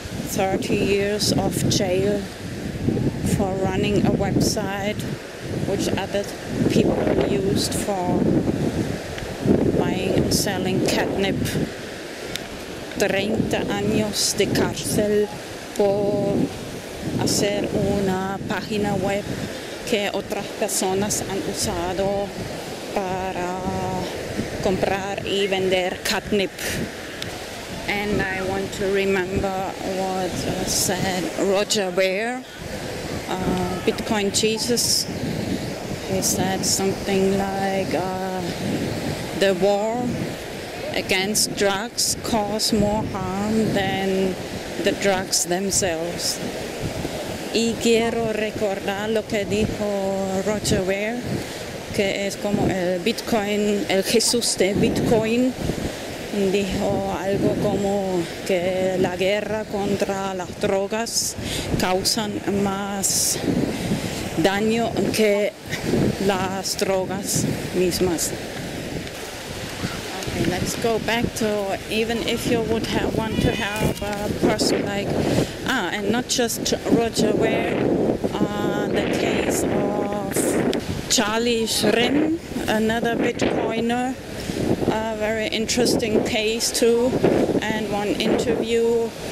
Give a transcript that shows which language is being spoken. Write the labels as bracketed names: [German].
[English] 30 years of jail for running a website which other people used for buying and selling catnip. [Spanish] 30 años de cárcel por hacer una página web que otras personas han usado para comprar y vender catnip. [English] And I want to remember what said Roger Ware, Bitcoin Jesus. He said something like, the war against drugs cause more harm than the drugs themselves. [Spanish] Y quiero recordar lo que dijo Roger Ware, que es como el Bitcoin, el Jesús de Bitcoin. Dijo algo como que la guerra contra las drogas causan más daño que las drogas mismas. [English] Okay, let's go back to, even if you would have, want to have a person like, and not just Roger Ware, the case of Charlie Shrin, another Bitcoiner, a very interesting case too, and one interview.